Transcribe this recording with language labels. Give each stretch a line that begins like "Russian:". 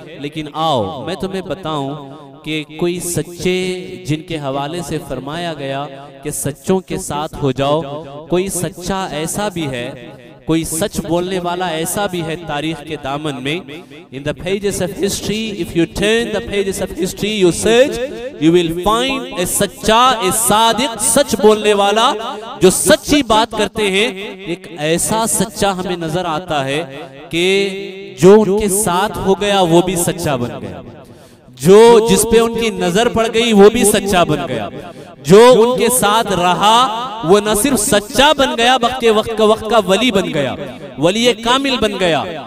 Urdu: Lekin aao, main tumhe bataun کہ کوئی سچے جن کے حوالے سے فرمایا گیا کہ سچوں کے ساتھ ہو جاؤ, کوئی سچا ایسا بھی ہے, کوئی سچ بولنے والا ایسا بھی ہے تاریخ کے دامن میں.
English: In the pages of history, if you turn the pages of history, you search, you will find a سچا, a صادق,
Urdu: سچ بولنے والا, جو سچی بات کرتے ہیں. ایک ایسا سچا ہمیں نظر آتا ہے کہ جو ان کے ساتھ ہو گیا وہ بھی سچا بن گیا, جو جس پہ ان کی نظر پڑ گئی وہ بھی سچا بن گیا, جو ان کے ساتھ رہا وہ نہ صرف سچا بن گیا بلکہ وقت کا ولی بن گیا, ولی کامل بن گیا.